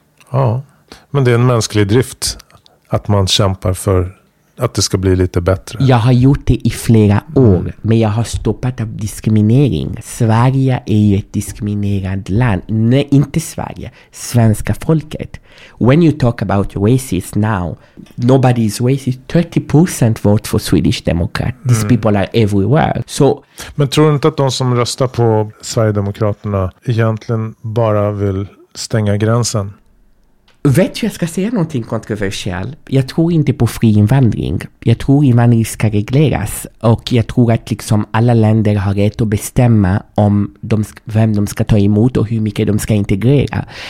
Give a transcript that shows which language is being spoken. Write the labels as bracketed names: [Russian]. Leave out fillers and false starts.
[Swedish] Ja, men det är en mänsklig drift att man kämpar för att det ska bli lite bättre. Jag har gjort det i flera år, men jag har stoppat av diskriminering. Sverige är ju ett diskriminerat land. Nej, inte Sverige, svenska folket. [English] When you talk about racist now, nobody is racist. 30% vote for Swedish Democrat. These people are everywhere. So, [Swedish] men tror du inte att de som röstar på Sverigedemokraterna egentligen bara vill stänga gränsen? Vet du, jag ska säga någonting kontroversiellt. Jag tror inte på fri invandring. Jag tror invandring ska regleras. Och jag tror att liksom alla länder har rätt att bestämma om vem de ska ta emot och hur mycket de ska integrera.